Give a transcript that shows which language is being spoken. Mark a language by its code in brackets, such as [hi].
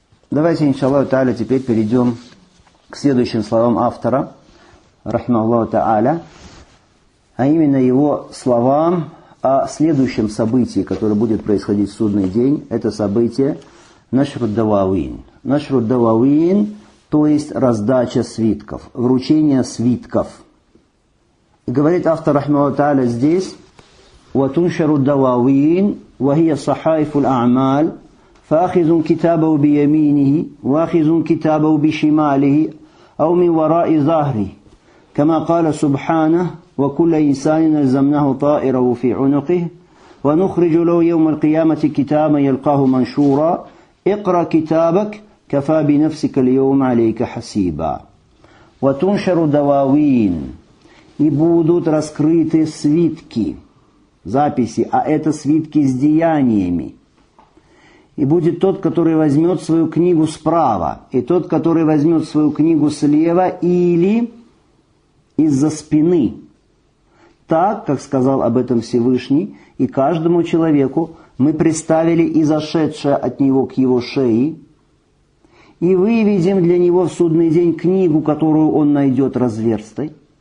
[ru] Давайте, иншаллаху тааля, теперь перейдем к следующим словам автора, рахимаху тааля, а именно его словам о следующем событии, которое будет происходить в судный день. Это событие нашруд-дававин. Нашруд-дававин, то есть раздача свитков, вручение свитков. И говорит автор, рахимаху тааля, здесь: [ar] وَتُنْشَرُ الدَّوَاوِينَ وَهِيَ صَحَائِفُ الْأَعْمَالِ فَأَخِذٌ كِتَابَهُ بِيَمِينِهِ وَأَخِذٌ كِتَابَهُ بِشِمَالِهِ أَوْ مِنْ وَرَاءِ ظَهْرِهِ كَمَا قَالَ سُبْحَانَهُ وَكُلَّ إِنْسَانٍ أَلْزَمْنَاهُ طَائِرَهُ فِي عُنُقِهِ وَنُخْرِجُ لَهُ يَوْمَ الْقِيَامَةِ كِتَابًا يَلْقَاهُ مَنْشُورًا اقْرَأْ كِتَابَكَ كَفَى بِنَفْسِكَ الْيَوْمَ عَلَيْكَ حَسِيبًا وَتُنْشَرُ الدَّوَاوِينَ [ru] يَبُودُتْ رَسْكْرِيتِ سْوِيتْكِي записи, а это свитки с деяниями. И будет тот, который возьмет свою книгу справа, и тот, который возьмет свою книгу слева или из-за спины. Так, как сказал об этом Всевышний, и каждому человеку мы приставили изошедшее от него к его шее, и выведем для него в судный день книгу, которую он найдет разверстой.